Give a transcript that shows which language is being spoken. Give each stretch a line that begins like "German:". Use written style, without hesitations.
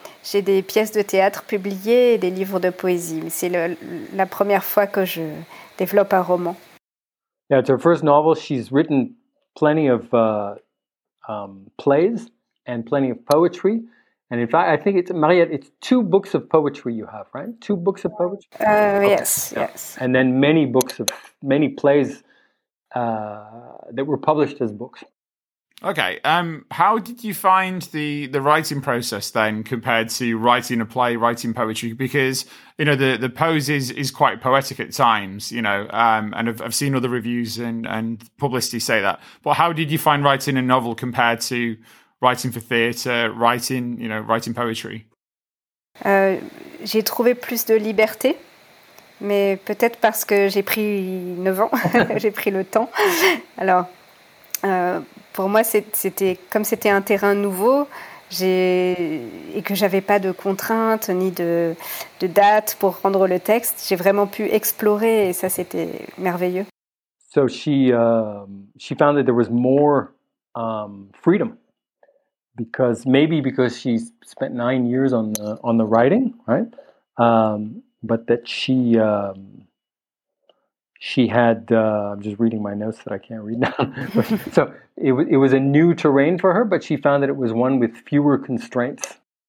French: J'ai des pièces de théâtre publiées et des livres de poésie. Mais c'est la première fois que je développe un roman.
English: Yeah, it's her first novel. She's written plenty of plays and plenty of poetry. And in fact, I think it's, Mariette, it's two books of poetry you have, right? Two books of poetry? Yes. And then many plays that were published as books. Okay. How did you find the writing process then compared to writing a play, writing poetry? Because, you know, the pose is quite poetic at times, you know, and I've seen other reviews and publicity say that. But how did you find writing a novel compared to writing for theatre, writing, you know, writing poetry?
French: J'ai trouvé plus de liberté, mais peut-être parce que j'ai pris 9 ans, j'ai pris le temps. Alors, pour moi, c'était, comme c'était un terrain nouveau, et que j'avais pas de contraintes ni de date pour rendre le texte, j'ai vraiment pu explorer, et ça, c'était merveilleux.
English: So she found that there was more freedom. Because maybe because she spent 9 years on the writing, right? But that she had. I'm just reading my notes that I can't read now. So it was a new terrain for her, but she found that it was one with fewer constraints.